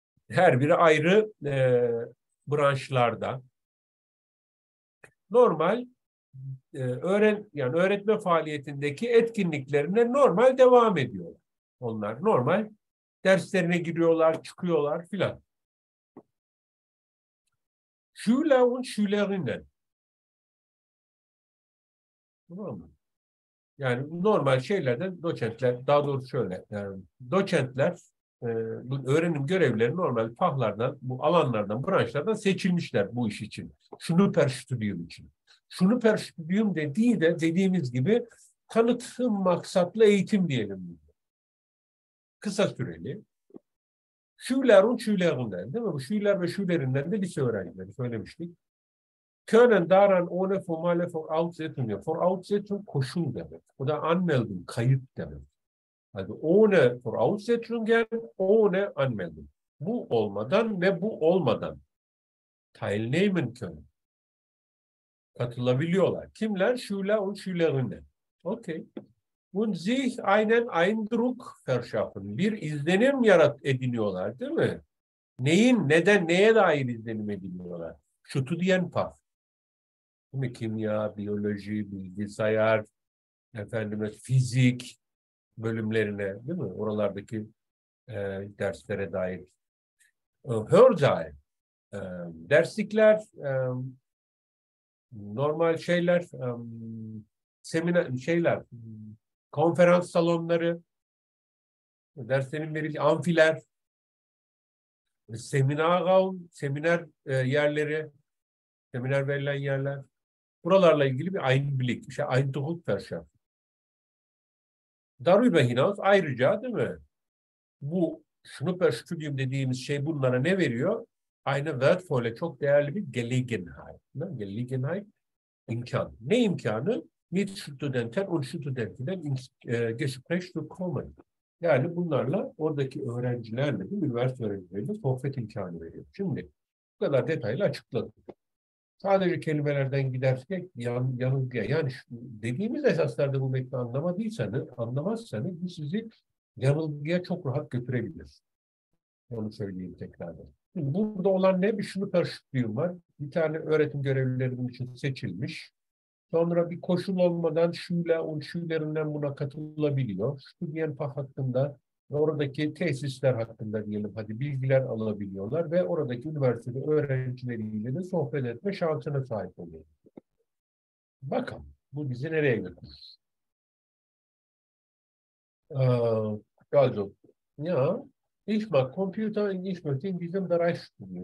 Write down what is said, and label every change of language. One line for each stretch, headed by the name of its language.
Turkish: Her biri ayrı branşlarda. Normal yani öğretme faaliyetindeki etkinliklerine normal devam ediyorlar. Onlar normal derslerine giriyorlar, çıkıyorlar filan.
German: Schüler und Schülerinnen.
Turkish: Normal. Yani normal şeylerden doçentler, daha doğrusu şöyle, doçentler öğrenim görevlileri normal fahlardan, bu alanlardan, branşlardan seçilmişler bu iş için. Schnupper Studium için. Schnupper Studium dediği de dediğimiz gibi tanıtım maksatlı eğitim diyelim. Kısa süreli. Schüler und Schülerinden, değil mi? Bu Schüler ve Schülerinden de lise öğrencileri söylemiştik.
German: Können daran ohne formale Voraussetzung. Voraussetzung
Turkish: koşul demek. O da
German: anmeldung,
Turkish: kayıt demek.
German: Also ohne Voraussetzungen, ohne Anmeldung.
Turkish: Bu olmadan ve bu olmadan.
German: Teilnehmen können.
Turkish: Katılabiliyorlar. Kimler?
German: Schüler und Schülerinnen. Okay. Und sich einen Eindruck verschaffen.
Turkish: Bir izlenim ediniyorlar, değil mi? Neyin, neden, neye dair izlenim ediniyorlar? Studien Fach. Değil mi? Kimya, biyoloji, bilgisayar, efendime, fizik bölümlerine, değil mi? Oralardaki derslere dair. Hörsaal. Derslikler, normal şeyler, seminer şeyler, konferans salonları, derslerin verildiği amfiler, seminer yerleri, seminer verilen yerler. Buralarla ilgili bir Einblick, bir şey,
German: Eindruck verschaffen. Darüber hinaus,
Turkish: ayrıca değil mi? Bu Schnupper Studium dediğimiz şey bunlara ne veriyor?
German: Eine wertvolle,
Turkish: çok değerli bir Gelegenheit. Ne? Gelegenheit, imkan. Ne imkanı?
German: Mit Studenten und Studentinnen ins Gespräch zu kommen.
Turkish: Yani bunlarla oradaki öğrencilerle, değil mi? Üniversite öğrencilerle sohbet imkanı veriyor. Şimdi bu kadar detaylı açıkladım. Sadece kelimelerden gidersek yanılgıya, yani dediğimiz esaslarda bu metni anlamazsanız bu sizi yanılgıya çok rahat götürebilir. Onu söyleyeyim tekrardan. Şimdi burada olan ne? Bir şunu karıştırıyorum var. Bir tane öğretim görevlilerinin için seçilmiş. Sonra bir koşul olmadan Schüler'inden buna katılabiliyor. Studien Fach hakkında ve oradaki tesisler hakkında diyelim hadi bilgiler alabiliyorlar ve oradaki üniversitede öğrencileriyle de sohbet etme şansına sahip oluyor. Bakalım bu bizi nereye götürür?
German: Also, ja, ich mag Computer, ich möchte in diesem Bereich studieren.